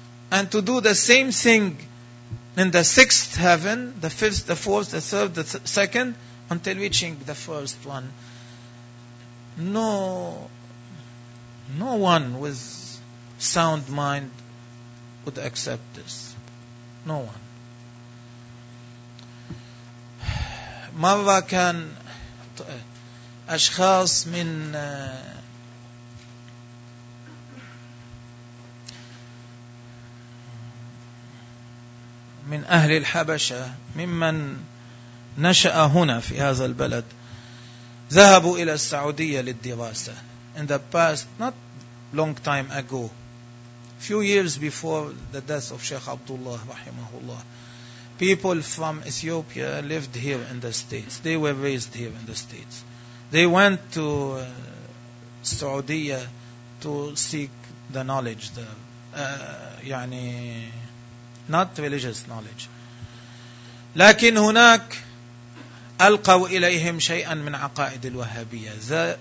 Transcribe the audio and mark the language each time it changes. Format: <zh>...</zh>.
<en>And to do the same thing in the sixth heaven, the fifth, the fourth, the third, the second, until reaching the first one. No one with sound mind would accept this. No one.</en> <ar>مرة كان أشخاص من أهل الحبشة ممن نشأ هنا في هذا البلد ذهبوا إلى السعودية للدراسة.</ar> <en>In the past, not long time ago, few years before the death of Sheikh Abdullah</en> <ar>رحمه الله,</ar> <en>people from Ethiopia lived here in the States. They were raised here in the States. They went to Saudiya to seek the knowledge there. يعني not religious knowledge.</en> <ar>لكن هناك ألقوا إليهم شيئا من عقائد الوهابية.</ar>